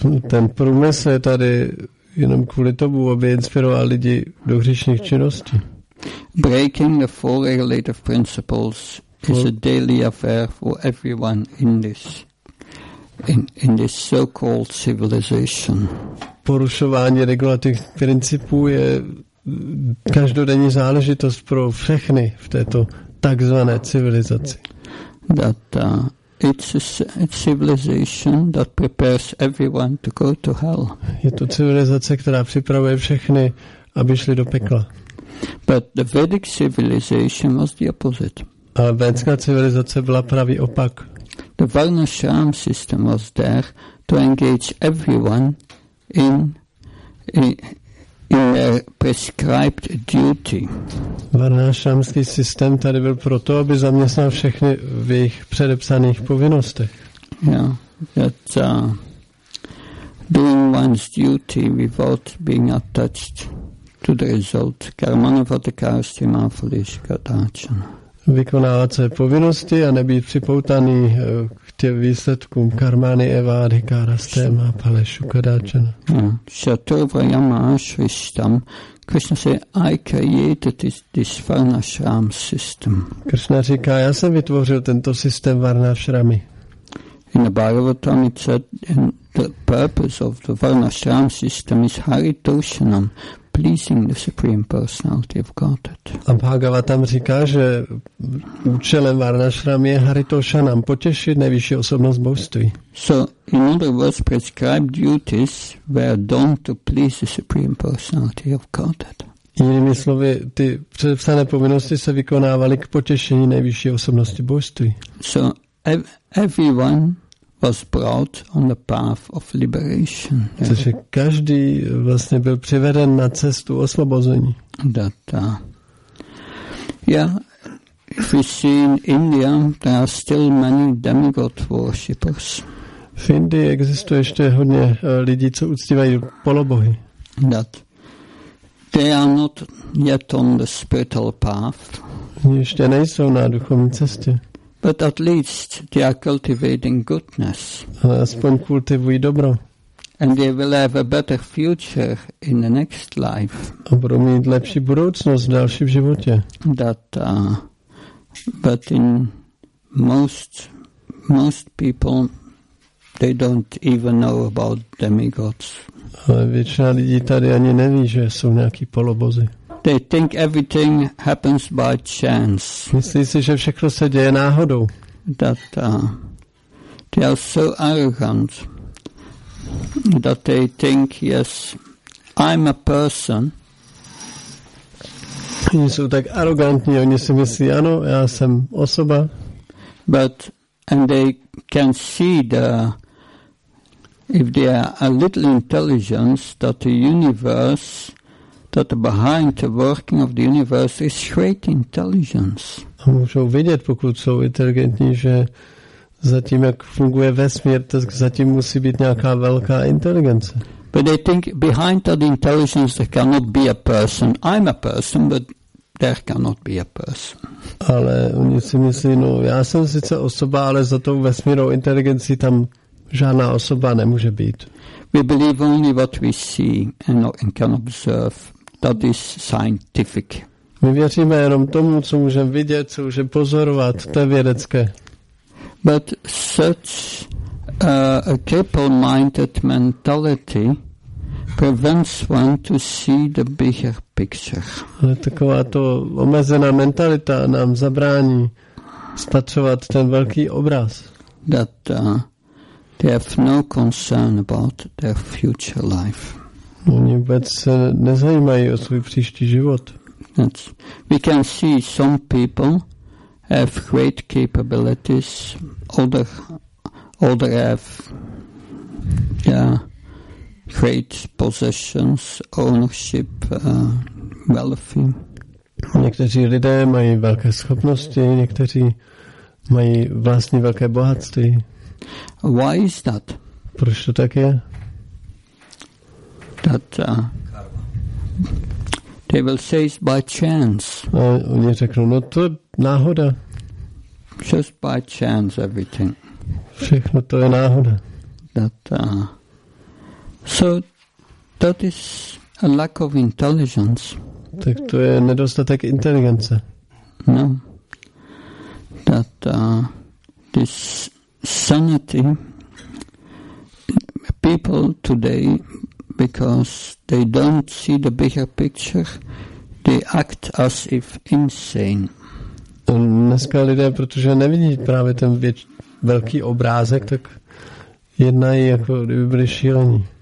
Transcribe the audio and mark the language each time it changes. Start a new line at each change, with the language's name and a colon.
Czech: Ten průmysl je tady jenom kvůli tomu, aby inspiroval lidi do hříšných činností.
English: Breaking the four regulative principles is a daily affair for everyone in this so-called civilization.
Czech: Porušování regulativních principů je každodenní záležitost pro všechny v této takzvané civilizaci.
English: That it's a civilization that prepares everyone to go to hell.
Czech: Je to civilizace, která připravuje všechny, aby šli do pekla.
English: But the Vedic civilization was the opposite.
Czech: Ale védská civilizace byla pravý opak.
English: The Varnashram system was there to engage everyone in their prescribed duty.
Czech: Varnashramský systém tady byl proto, aby zaměstnal všechny v jejich předepsaných povinnostech.
English: Yeah, that doing one's duty without being attached to the result.
Sanskrit: Karmanavatakarstvima felishkatachana.
Czech: vykonávat své povinnosti a nebýt připoutaný k těm výsledkům
Sanskrit: karmány evády karastema pale šukadáčana. Shatova yama ashristam.
Czech: Krishna říká,
English: I created this varnashram system.
Czech: Krishna říká, já jsem vytvořil tento systém varnashrami.
English: In the Bhagavatam it said, and the purpose of the varnashram system is haritoshanam, pleasing the Supreme Personality of Godhead.
Czech: A Bhagavatam říká, že účelem varnashram je haritoshanam, potěšit nejvyšší osobnost božství.
English: So, in other words, prescribed duties were done to please the Supreme Personality of Godhead.
Czech: Jinými slovy, ty předepsané povinnosti se vykonávaly k potěšení nejvyšší osobnosti božství.
English: So, everyone was brought on the path of liberation.
Czech: Takže každý vlastně byl přiveden na cestu osvobození.
English: Yeah, if you see in India, there are still many demigod worshippers.
Czech: V Indii existuje ještě hodně lidí, co uctívají polobohy.
English: That they are not yet on the spiritual path.
Czech: Ještě nejsou na duchovní cestě.
English: But at least they are cultivating goodness.
Czech: Aspoň kultivují dobro.
English: And they will have a better future in the next life.
Czech: A budou mít lepší budoucnost v dalším životě.
English: That, but in most people, they don't even know about demigods.
Czech: Ale většina lidí tady ani neví, že jsou nějaký polobozy.
English: They think everything happens by chance.
Czech: Myslí si, že všechno se děje náhodou.
English: That they are so arrogant that they think, yes, I'm a person.
Czech: Oni jsou tak arrogantní, oni si myslí, ano, já jsem osoba.
English: But and they can see the if they are a little intelligent that the universe. That behind the working of the universe is great intelligence.
Czech: A můžou vidět, pokud jsou inteligentní, že zatím, jak funguje vesmír, tak zatím musí být nějaká velká inteligence.
English: But they think behind that intelligence there cannot be a person. I'm a person, but there cannot be a person.
Czech: Ale oni si myslí, no já jsem sice osoba, ale za tou vesmírnou inteligencí tam žádná osoba nemůže být.
English: We believe only what we see and can observe. That is scientific.
Czech: My věříme jenom tomu, co můžeme vidět, co můžeme pozorovat. To je vědecké.
English: But such a triple-minded mentality prevents one to see the bigger picture.
Czech: Ale taková to omezená mentalita nám zabrání spatřovat ten velký obraz.
English: That they have no concern about their future life.
Czech: Oni vůbec se nezajímají o svůj příští život.
English: That's, we can see some people have great capabilities, other have great possessions, ownership, wealthy.
Czech: Někteří lidé mají velké schopnosti, někteří mají vlastní velké bohatství.
English: Why is that?
Czech: Proč to tak je?
English: That they will say it's by chance.
Czech: A oni řeknou, no to je náhoda.
English: Just by chance everything.
Czech: Všechno to je náhoda.
English: That so that is a lack of intelligence.
Czech: Tak to je nedostatek inteligence. No.
English: That this sanity people today because they don't see the bigger picture, they act as if insane.
Czech: Dneska lidé, protože nevidí právě ten velký obrázek, tak jednají jako kdyby byli šílení.